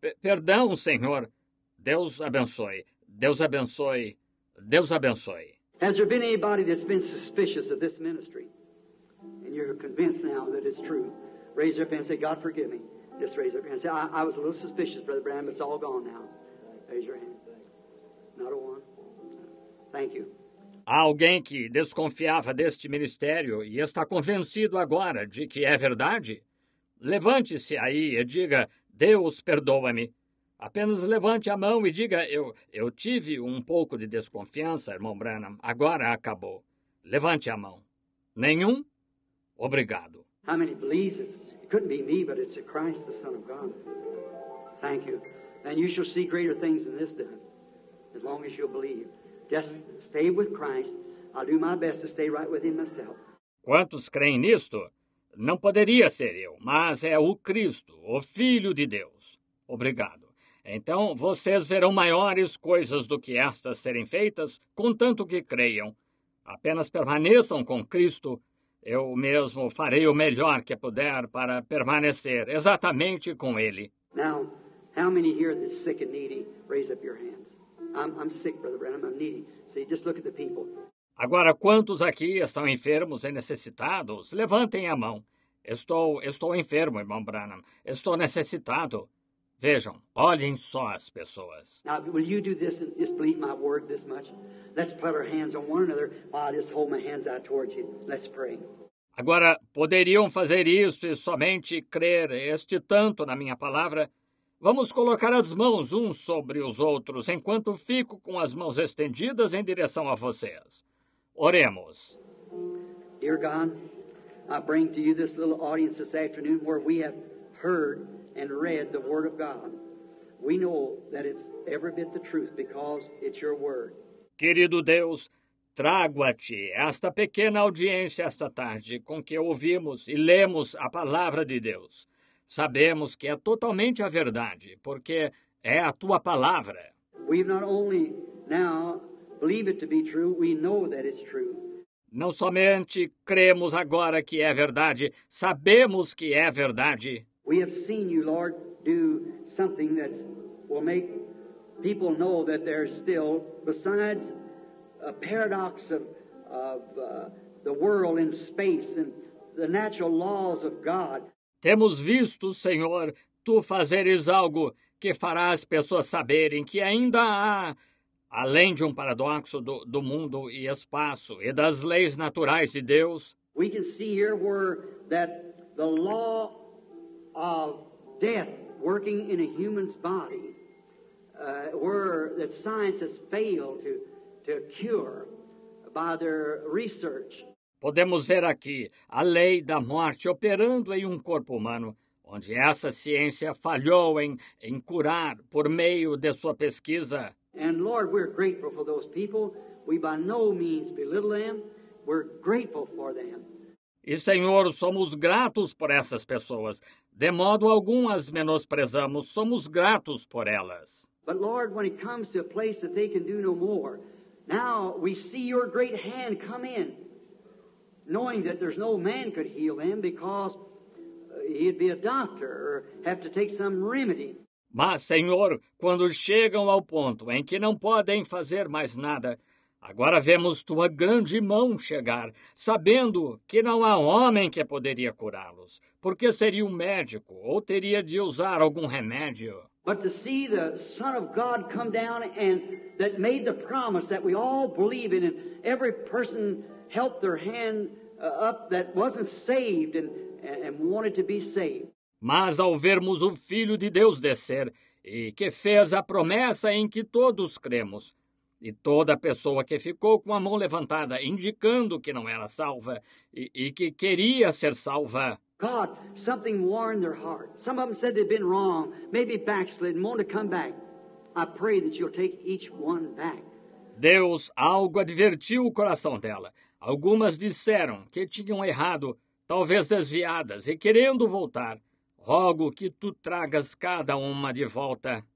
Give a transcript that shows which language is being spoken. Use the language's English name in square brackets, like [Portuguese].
[Portuguese] Perdão, Senhor. Deus abençoe. Deus abençoe. Deus abençoe. [English] Has there been anybody that's been suspicious of this ministry? And you're convinced now that it's true. raise their hand and say, God, forgive me. Just raise their hand and say, I was a little suspicious, Brother Branham, but it's all gone now. Raise your hand. Not a one. Thank you. [Portuguese] Há alguém que desconfiava deste ministério e está convencido agora de que é verdade? Levante-se aí e diga, Deus perdoa-me. Apenas levante a mão e diga, eu tive um pouco de desconfiança, irmão Branham, agora acabou. Levante a mão. Nenhum? Obrigado. [English] How many believe it couldn't be me, but it's a Christ, the Son of God. Thank you. And you shall see greater things than this then, as long as you'll believe. Just stay with Christ. I'll do my best to stay right with him myself. [Portuguese] Quantos creem nisto? Não poderia ser eu, mas é o Cristo, o Filho de Deus. Obrigado. Então, vocês verão maiores coisas do que estas serem feitas, contanto que creiam. Apenas permaneçam com Cristo. Eu mesmo farei o melhor que puder para permanecer exatamente com Ele. [English] Now, how many here that's sick and needy, raise up your hands. I'm sick, Brother Branham, I'm needy. See, just look at the people. [Portuguese] Agora, quantos aqui estão enfermos e necessitados? Levantem a mão. Estou enfermo, irmão Branham. Estou necessitado. Vejam, olhem só as pessoas. [English] Now, will you do this and just believe my word this much? Let's put our hands on one another while I just hold my hands out towards you. Let's pray. [Portuguese] Agora, poderiam fazer isso e somente crer este tanto na minha palavra? Vamos colocar as mãos uns sobre os outros enquanto fico com as mãos estendidas em direção a vocês. Oremos. [English] Dear God, I bring to you this little audience this afternoon where we have heard and read the Word of God. We know that it's every bit the truth because it's your Word. [Portuguese] Querido Deus, trago a Ti esta pequena audiência esta tarde com que ouvimos e lemos a Palavra de Deus. Sabemos que é totalmente a verdade, porque é a Tua Palavra. [English] We not only now believe it to be true, we know that it's true. [Portuguese] Não somente cremos agora que é verdade, sabemos que é verdade. [English] We have seen you, Lord, do something that will make people know that there is still, besides a paradox of the world in space and the natural laws of God. [Portuguese] Temos visto, Senhor, Tu fazeres algo que fará as pessoas saberem que ainda há, além de um paradoxo do mundo e espaço e das leis naturais de Deus. [English] We can see here where that the law of death working in a human's body, where that science has failed to cure by their research. [Portuguese] Podemos ver aqui a lei da morte operando em um corpo humano, onde essa ciência falhou em curar por meio de sua pesquisa. [English] And Lord, we're grateful for those people. We by no means belittle them. We're grateful for them. [Portuguese] E, Senhor, somos gratos por essas pessoas. De modo algum as menosprezamos, somos gratos por elas. [English] But Lord, when it comes to a place that they can do no more, now we see your great hand come in, knowing that there's no man could heal them because he'd be a doctor or have to take some remedy. [Portuguese] Mas, Senhor, quando chegam ao ponto em que não podem fazer mais nada, agora vemos Tua grande mão chegar, sabendo que não há homem que poderia curá-los, porque seria um médico ou teria de usar algum remédio. [English] But to see the Son of God come down and that made the promise that we all believe in, and every person held their hand up that wasn't saved and wanted to be saved. [Portuguese] Mas ao vermos o Filho de Deus descer e que fez a promessa em que todos cremos, e toda pessoa que ficou com a mão levantada indicando que não era salva e que queria ser salva. [English] God, something warned their heart. Some of them said they've been wrong, maybe backslidden, want to come back. I pray that you'll take each one back. [Portuguese] Deus, algo advertiu o coração dela. Algumas disseram que tinham errado, talvez desviadas e querendo voltar. Rogo que Tu tragas cada uma de volta.